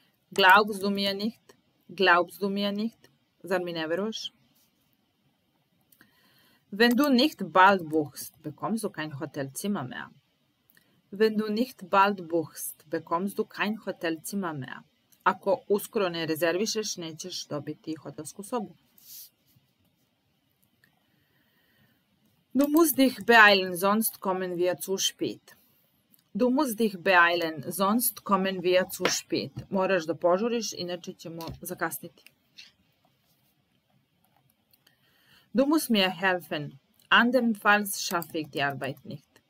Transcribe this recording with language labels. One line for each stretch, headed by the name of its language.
German: Glaubst du mir nicht? Glaubst du mir nicht?
Serbian: Zar mi ne veruješ?
German: Wenn du nicht bald buchst, bekommst du kein Hotelzimmer mehr. Wenn du nicht bald buchst, bekommst du kein Hotelzimmer mehr.
Serbian: Ako uskoro ne rezervišeš, nećeš dobiti hotelsku sobu.
German: Du musst dich beeilen, sonst kommen wir zu spät. Du musst dich beeilen, sonst kommen wir zu spät.
Serbian: Moraš da požuriš, inače ćemo zakasniti.
German: Du musst mir helfen, andernfalls schaffe ich die Arbeit nicht.